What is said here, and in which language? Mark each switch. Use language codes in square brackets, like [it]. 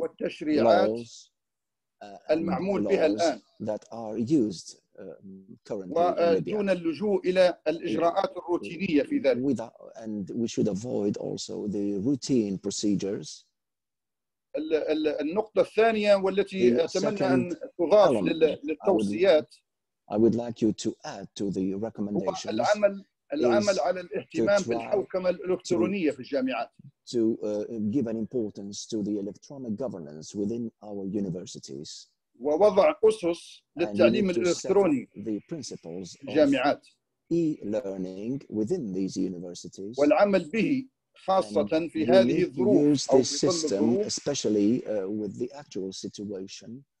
[ar] والتشريعات laws, المعمول بها الآن [en] that are used currently [ar] ودون اللجوء إلى الإجراءات الروتينية في ذلك [en] and we should avoid also the routine procedures. [ar] النقطة الثانية والتي أتمنى أن تضاف للتوصيات [en] I would like you to add to the recommendations [ar] العمل العمل على الاهتمام بالحوكمة الإلكترونية في الجامعات. [en] To give an importance to the electronic governance within our universities. [ar] ووضع أسس للتعليم الإلكتروني. [en] The principles of [ar] الجامعات. [en] E-learning within these universities. [ar] والعمل به خاصة في هذه الظروف. [en] Use this system especially with the actual situation.